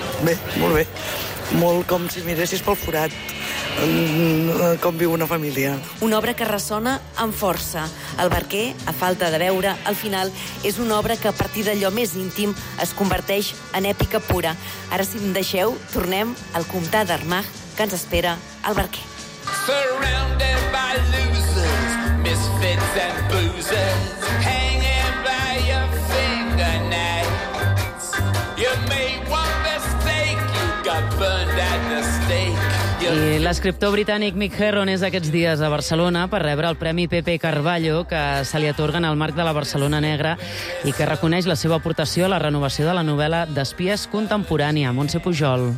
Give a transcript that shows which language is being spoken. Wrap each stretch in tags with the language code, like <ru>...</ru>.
<ca>Bé, molt bé. Molt com si miressis pel forat, com viu una família. Una obra que ressona amb força. El barquer, a falta de veure, al final, és una obra que a partir d'allò més íntim es converteix en èpica pura. Ara, si em deixeu, tornem al comtat d'Armagh, que ens espera el barquer.</ca> <en>Surrounded by losers, misfits and boozers, hanging by your fingernails.</en> <ca>I l'escriptor britànic Mick Herron és aquests dies a Barcelona per rebre el Premi Pepe Carballo, que se li atorga en el marc de la Barcelona Negra i que reconeix la seva aportació a la renovació de la novel·la d'espies contemporània, Montse Pujol.</ca>